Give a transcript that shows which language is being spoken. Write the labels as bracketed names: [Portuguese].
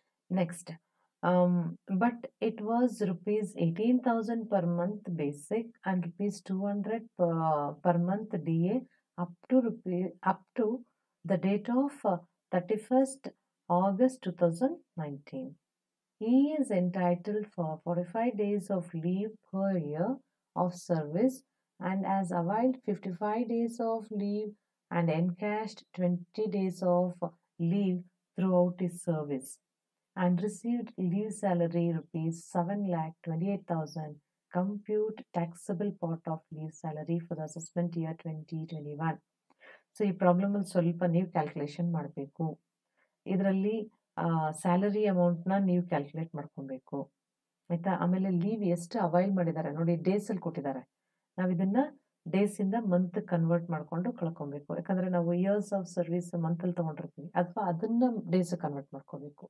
[English] Next, but it was rupees 18,000 per month basic and rupees 200 per month DA up to the date of 31st August 2019. He is entitled for 45 days of leave per year of service and has availed 55 days of leave and encashed 20 days of leave throughout his service and received leave salary rupees 7,28,000. Compute taxable part of leave salary for the assessment year 2021. [Kannada] So ಈ ಪ್ರಾಬ್ಲಮಲ್ಲಿ ಸ್ವಲ್ಪ ನೀವು calculation ಮಾಡಬೇಕು. ಇದರಲ್ಲಿ salary ಅಮೌಂಟ್ನ ನೀವು calculate ಮಾಡ್ಕೊಬೇಕು ಆಯಿತಾ. ಆಮೇಲೆ ಲೀವ್ ಎಷ್ಟು ಅವೈಲ್ ಮಾಡಿದ್ದಾರೆ ನೋಡಿ, ಡೇಸಲ್ಲಿ ಕೊಟ್ಟಿದ್ದಾರೆ. ನಾವು ಇದನ್ನು ಡೇಸಿಂದ ಮಂತ್ ಕನ್ವರ್ಟ್ ಮಾಡಿಕೊಂಡು ಕಳ್ಕೊಬೇಕು, ಯಾಕಂದರೆ ನಾವು ಇಯರ್ಸ್ ಆಫ್ ಸರ್ವಿಸ್ ಮಂತಲ್ಲಿ ತೊಗೊಂಡಿರ್ತೀವಿ, ಅಥವಾ ಅದನ್ನು ಡೇಸ್ ಕನ್ವರ್ಟ್ ಮಾಡ್ಕೋಬೇಕು.